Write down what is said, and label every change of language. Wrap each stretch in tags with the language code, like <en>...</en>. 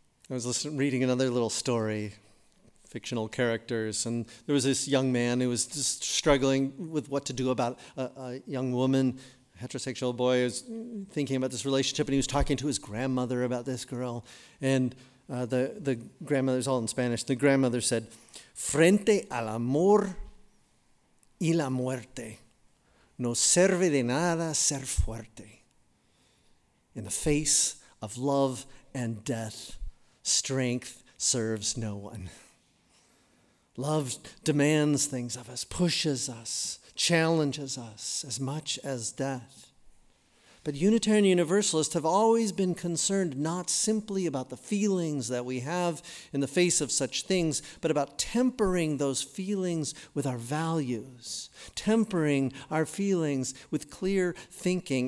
<en>I was reading another little story, fictional characters, and there was this young man who was just struggling with what to do about a young woman, a heterosexual boy, who was thinking about this relationship, and he was talking to his grandmother about this girl, and the grandmother's all in Spanish.</en> <es>The grandmother said, frente al amor y la muerte, no sirve de nada ser fuerte.</es> <en>In the face of love and death, strength serves no one. Love demands things of us, pushes us, challenges us as much as death. But Unitarian Universalists have always been concerned not simply about the feelings that we have in the face of such things, but about tempering those feelings with our values, tempering our feelings with clear thinking.</en>